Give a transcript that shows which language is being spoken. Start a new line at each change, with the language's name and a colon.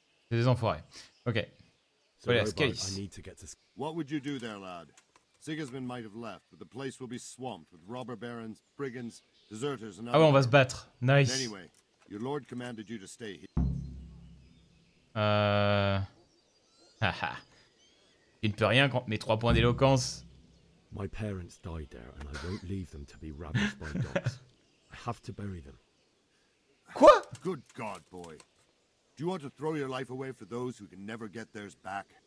French: C'est des enfoirés. Ok.
English: So, what would you do there, lad? Sigismund might have left, but the place will be swamped with robber barons, brigands, deserters, and others.
French: Ah, on va se battre. Nice.
English: And anyway, your lord commanded you to stay here. Haha.
French: Il ne peut rien contre mes trois points d'éloquence.
English: My parents died there, and I won't leave them to be ravaged by dogs. I have to bury them.
French: Quoi?
English: Good God, boy. Do you want to throw your life away for those who can never get theirs back?